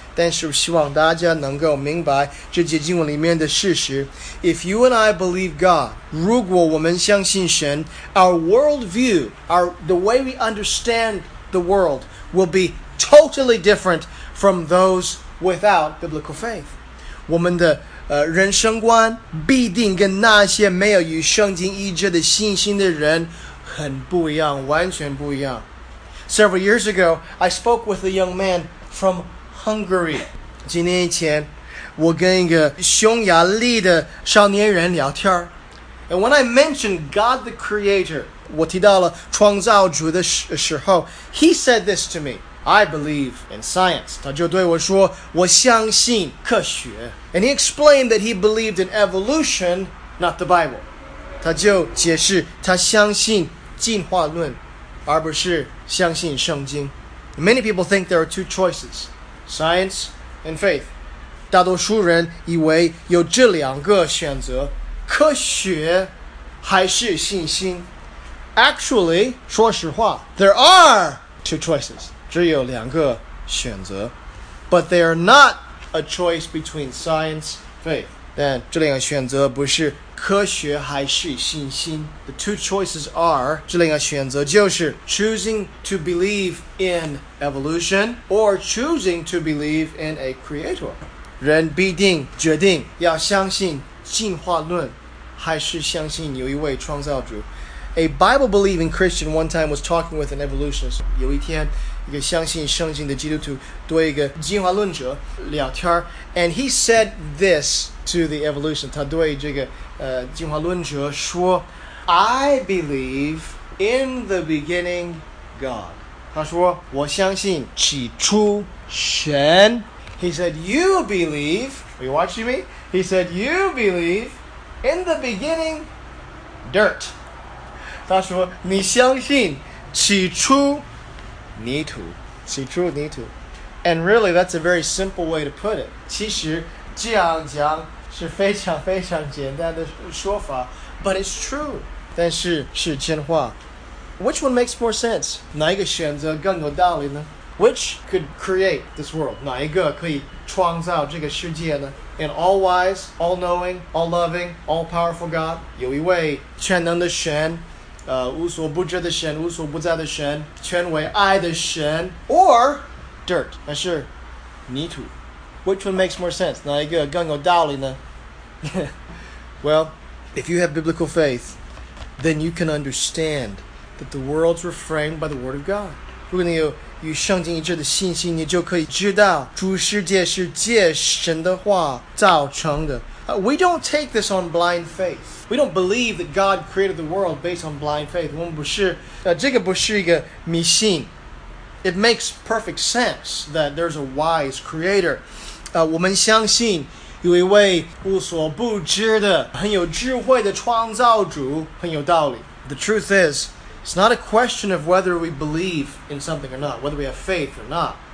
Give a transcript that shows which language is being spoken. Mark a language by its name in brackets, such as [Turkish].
[Chinese] 但是希望大家能够明白这节经文里面的事实。 [English] If you and I believe God, [Chinese] 如果我们相信神, [English] our worldview, the way we understand the world, will be totally different from those without biblical faith. [Chinese] 我们的人生观必定跟那些没有与圣经一致的信心的人很不一样，完全不一样。 [English] Several years ago, I spoke with a young man from Hungary. [Chinese] 几年以前，我跟一个匈牙利的少年人聊天。 [English] And when I mentioned God the Creator, [Chinese] 我提到了创造主的时候， [English] he said this to me. I believe in science. [Chinese] 他就对我说，我相信科学。 [English] And he explained that he believed in evolution, not the Bible. [Chinese] 他就解释，他相信进化论，而不是相信圣经。 [English] Many people think there are two choices, science and faith. [Chinese] 大多数人以为有这两个选择，科学还是信心。 [English] Actually, [Chinese] 说实话， [English] there are two choices. [Chinese] 只有两个选择 [English] But they are not a choice between science and faith. [Chinese] 但这两个选择不是科学还是信心 [English] The two choices are [Chinese] 这两个选择就是 [English] choosing to believe in evolution or choosing to believe in a creator. [Chinese] 人必定决定要相信进化论还是相信有一位创造主 [English] A Bible-believing Christian one time was talking with an evolutionist. [Chinese] 有一天一个相信圣经的基督徒对一个进化论者聊天 [English] and he said this to the evolution. [Chinese] 他对这个进化论者说 [English] I believe in the beginning God. [Chinese] 他说我相信起初神 [English] He said you believe, are you watching me? He said you believe in the beginning dirt. [Chinese] 他说你相信起初泥土，起初泥土。 [English] And really, that's a very simple way to put it. [Chinese] 其实这样讲是非常非常简单的说法 [English] But it's true. [Chinese] 但是是真话。 [English] Which one makes more sense? [Chinese] 哪一个选择更有道理呢? [English] Which could create this world? [Chinese] 哪一个可以创造这个世界呢? [English] An all-wise, all-knowing, all-loving, all-powerful God. [Chinese] 有一位全能的神。无所不知的神，无所不在的神，全为爱的神 ， [English] or dirt， [Chinese] 那是泥土。 [English] Which one makes more sense？ [Chinese] 哪一个更有道理呢？ [English] Well, if you have biblical faith, then you can understand that the worlds were framed by the word of God. [Chinese] 如果你有与圣经一致的信心，你就可以知道诸世界是借神的话造成的。 [English] We don't take this on blind faith. We don't believe that God created the world based on blind faith. [Chinese] 我们不是，这个不是一个迷信。 [English] It makes perfect sense that there's a wise creator. [Chinese] 我们相信有一位无所不知的、很有智慧的创造主，很有道理。 [English] The truth is, It's not a question of whether we believe in something or not, whether we have faith or not.